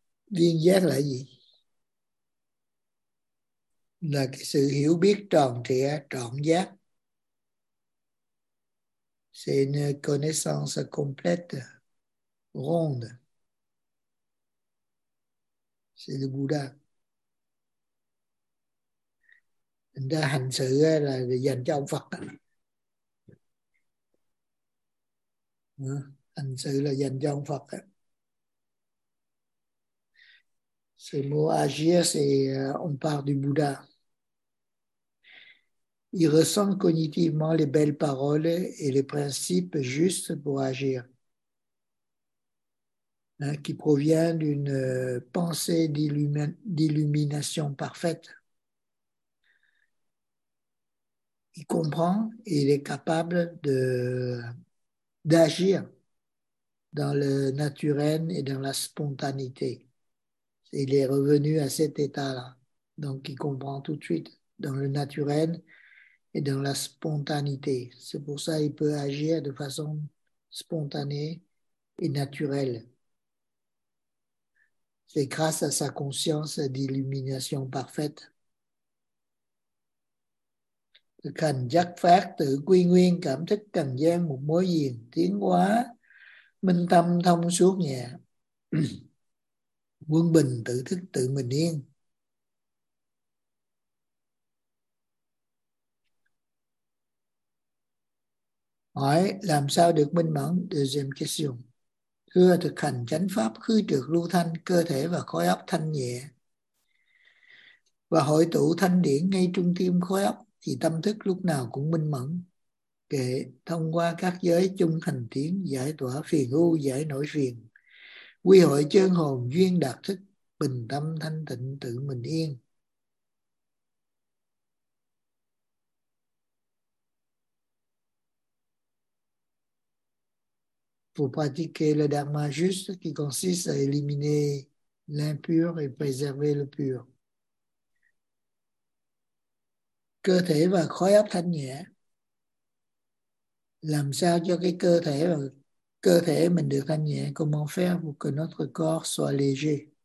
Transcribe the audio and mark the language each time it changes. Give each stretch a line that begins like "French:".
Vietnamese: Viên giác là gì? Là cái sự hiểu biết tròn trịa, trọn giác.
French: C'est une connaissance complète, ronde. C'est le Bouddha.
Vietnamese: Mình đã hành sự là dành cho ông Phật. Hành sự là dành cho ông Phật.
French: Ce mot agir, c'est on parle du Bouddha. Il ressent cognitivement les belles paroles et les principes justes pour agir, hein, qui provient d'une pensée d'illumination parfaite. Il comprend et il est capable d'agir dans le naturel et dans la spontanéité. Il est revenu à cet état-là. Donc, il comprend tout de suite dans le naturel et dans la spontanéité. C'est pour ça qu'il peut agir de façon spontanée et naturelle. C'est grâce à sa conscience d'illumination parfaite.
Vietnamese: Thực hành giác phát tự quy nguyên, cảm thức trần gian một mối duyên, tiến hóa minh tâm thông suốt nhà quân bình, tự thức tự mình yên. Hỏi làm sao được minh mẫn,
French: deuxième question.
Vietnamese: Thưa, thực hành chánh pháp khứ trược lưu thanh, cơ thể và khối óc thanh nhẹ và hội tụ thanh điển ngay trung tâm khối óc, thì tâm thức lúc nào cũng minh mẫn. kệ thông qua các giới chung hành thiến giải tỏa phiền ưu giải nỗi phiền quy hội chân hồn duyên đạt thức bình tâm thanh tịnh tự mình yên.
French: Pour pratiquer le dharma juste qui consiste à éliminer l'impur et préserver le pur.
Vietnamese: Cơ thể và khối óc thanh nhẹ. Làm sao cho cái cơ thể và cơ thể mình được thanh nhẹ?
French: Comment faire pour que notre corps soit léger?